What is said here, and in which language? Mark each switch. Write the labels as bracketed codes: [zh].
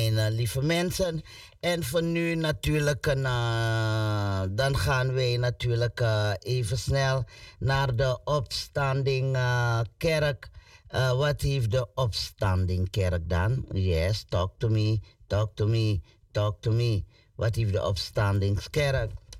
[nl] Lieve mensen, en voor nu natuurlijk, dan gaan wij natuurlijk even snel naar de opstanding kerk. Wat heeft de opstanding kerk dan? [en] Yes, talk to me, talk to me, talk to me. [nl] Wat heeft de opstanding kerk?